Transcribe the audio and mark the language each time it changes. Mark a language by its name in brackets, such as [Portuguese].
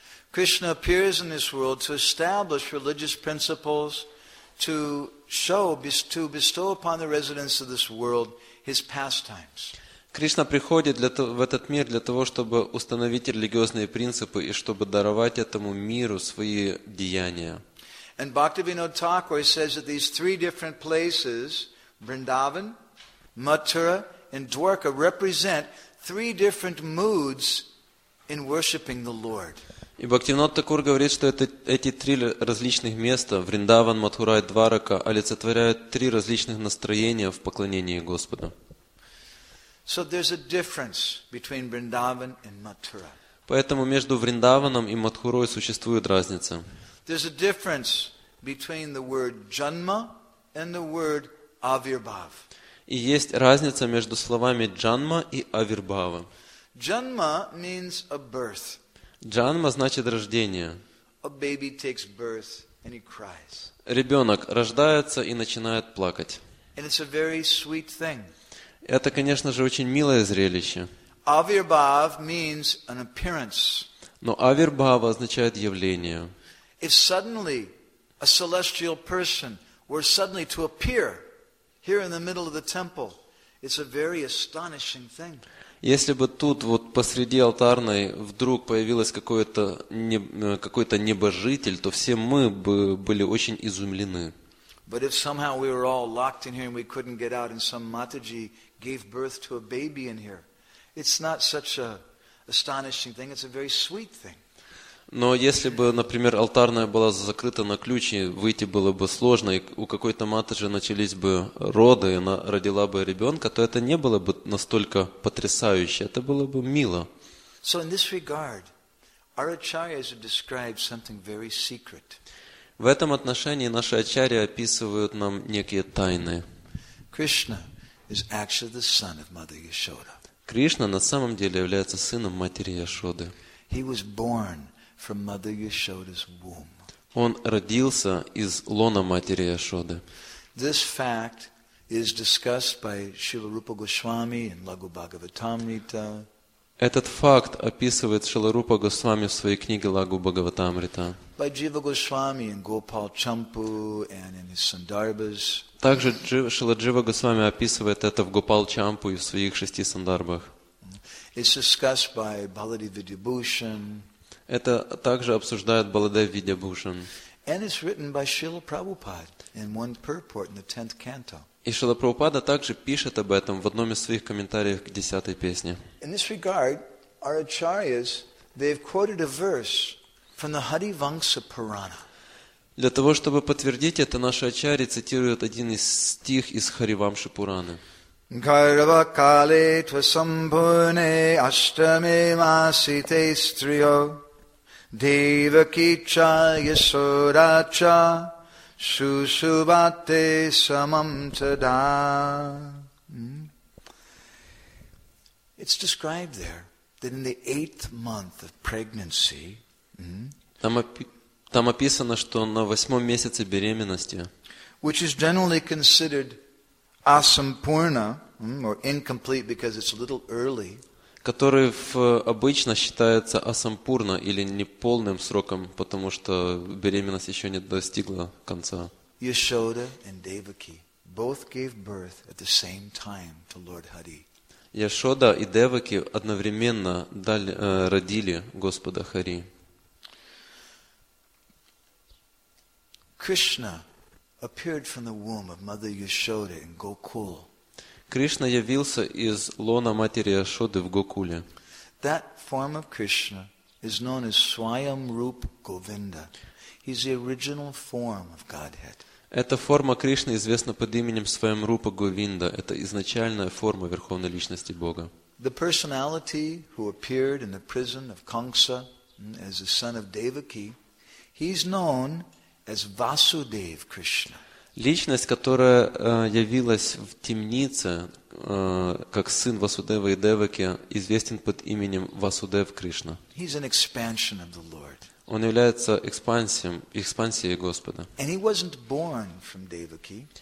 [English] Krishna appears in this world to establish religious principles, to show, to bestow upon the residents of this world his pastimes. [Russian] Кришна приходит в этот мир для того, чтобы установить религиозные принципы и чтобы даровать этому миру свои деяния. [English] And Bhaktivinoda Thakur says that these three different places, Vrindavan, Mathura, and Dwarka, represent three different moods in worshiping the Lord. [Russian] И Бхактивинода Такур говорит, что эти три различных места, Вриндаван, Матхура и Дварака, олицетворяют три различных настроения в поклонении Господу. [English] So there's a difference between Vrindavan and Mathura. [Russian] Поэтому между Вриндаваном и Матхурой существует разница. [English] There's a difference between the word Janma and the word Avirbhav. [Russian] И есть разница между словами Джанма и Авирбхава. [English] Janma means a birth. [Russian] Джанма значит рождение. [English] A baby takes birth and he cries. [Russian] Ребенок рождается и начинает плакать. [English] And it's a very sweet thing. [Russian] Это, конечно же, очень милое зрелище. [English] Avirbhav means an appearance. [Russian] Но Авирбхава означает явление. [English] If suddenly a celestial person were suddenly to appear here in the middle of the temple, it's a very astonishing thing. [Russian] Если бы тут вот посреди алтарной вдруг появилось какой-то небожитель, то все мы бы были очень изумлены. [English] But if somehow we were all locked in here and we couldn't get out and some Mataji gave birth to a baby in here, it's not such an astonishing thing, it's a very sweet thing. [Russian] Но если бы, например, алтарная была закрыта на ключ, и выйти было бы сложно, и у какой-то матери начались бы роды, и она родила бы ребенка, то это не было бы настолько потрясающе, это было бы мило. [English] So in this regard, our acharyas describe something very secret. [Russian] В этом отношении наши ачарьи описывают нам некие тайны. [English] Krishna is actually the son of Mother Yashoda. [Russian] Кришна на самом деле является сыном матери Яшоды. [English] He was born from Mother Yashoda's womb. [Russian] Он родился из лона матери Яшоды. [English] This fact is discussed by Śrīla Rūpa Gosvāmī in Laghu Bhāgavatamrita. [Russian] Этот факт описывает Śrīla Rūpa Gosvāmī в своей книге Laghu Bhāgavatamrita. [English] By Jiva Goswami and Gopal Champu and in his Sandarbhas. [Russian] Также Śrīla Jiva Goswami описывает это в Gopal Champu и в своих шести сандарбах. [English] It's discussed by Baladev Vidyabhushan. [Russian] Это также обсуждает Баладев Видьябхушан. [English] And it's written by Śrīla Prabhupāda in one purport in the 10th canto. [Russian] И Шрила Прабхупада также пишет об этом в одном из своих комментариев к 10-й песне. [English] In this regard, our acharyas, they've quoted a verse from the Harivamsa Purana. [Russian] Для того, чтобы подтвердить это, наши ачарьи цитируют один из стих из Харивамши Пураны. [Sanskrit] Гарвакале твасамбуне аштаме масите стрио деваки ча ясора ча сушубате самам тада. [English] It's described there that in the eighth month of pregnancy, [Russian] там описано, что на восьмом месяце беременности, [English] which is generally considered asampurna or incomplete because it's a little early, [Russian] который обычно считается асампурна или неполным сроком, потому что беременность еще не достигла конца. [English] Yashoda and Devaki both gave birth at the same time to Lord Hari. [Russian] Яшода и Деваки одновременно родили Господа Хари. [English] Krishna appeared from the womb of Mother Yashoda in Gokul. [Russian] Кришна явился из лона матери Яшоды в Гокуле. [English] That form of Krishna is known as Swayamrup Govinda. He's the original form of Godhead. [Russian] Эта форма Кришны известна под именем Свайамрупа Говинда. Это изначальная форма Верховной Личности Бога. [English] The personality who appeared in the prison of Kamsa as the son of Devaki, he's known as Vasudev Krishna. [Russian] Личность, которая явилась в темнице как сын Васудева и Деваки, известен под именем Васудев Кришна. [English] He's an expansion of the Lord. [Russian] Он является экспансией Господа. [English] And he wasn't born from Devaki.